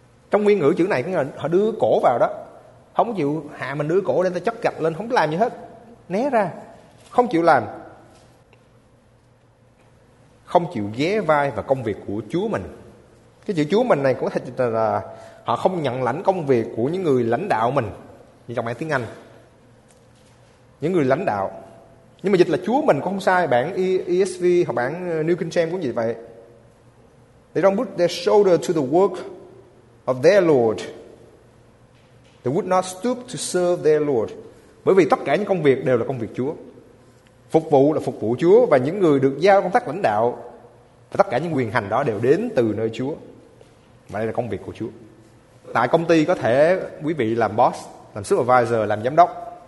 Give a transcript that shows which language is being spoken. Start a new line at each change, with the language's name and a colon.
Vietnamese: Trong nguyên ngữ chữ này có nghĩa là họ đưa cổ vào đó, không chịu hạ mình đưa cổ lên, ta chất gạch lên, không làm gì hết, né ra, không chịu làm, không chịu ghé vai vào công việc của Chúa mình. Cái chữ Chúa mình này cũng có thể là họ không nhận lãnh công việc của những người lãnh đạo mình, như trong bản tiếng Anh, những người lãnh đạo. Nhưng mà dịch là Chúa mình cũng không sai, bản ESV hoặc bản New King James cũng như vậy.
English: They don't put their shoulder to the work of their Lord. They would not stoop to serve their Lord.
Vietnamese: Bởi vì tất cả những công việc đều là công việc Chúa. Phục vụ là phục vụ Chúa, và những người được giao công tác lãnh đạo và tất cả những quyền hành đó đều đến từ nơi Chúa. Và đây là công việc của Chúa. Tại công ty có thể quý vị làm boss, làm supervisor, làm giám đốc.